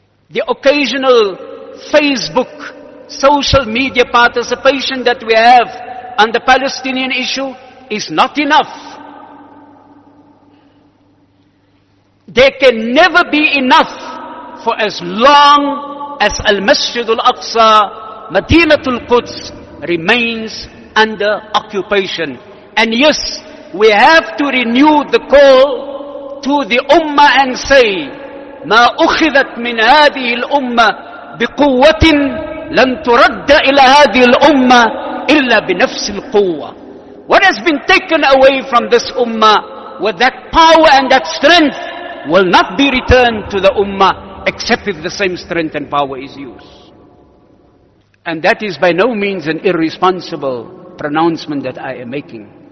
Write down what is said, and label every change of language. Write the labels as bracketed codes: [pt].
[en] The occasional Facebook social media participation that we have on the Palestinian issue is not enough. There can never be enough for as long as Al-Masjid Al-Aqsa, Madinatul Quds, remains under occupation. And yes, we have to renew the call to the Ummah and say, [ar] ما أخذت من هذه الأمة بقوة لن ترد إلى هذه الأمة إلا بنفس القوة. [en] What has been taken away from this Ummah with that power and that strength will not be returned to the Ummah except if the same strength and power is used. And that is by no means an irresponsible pronouncement that I am making.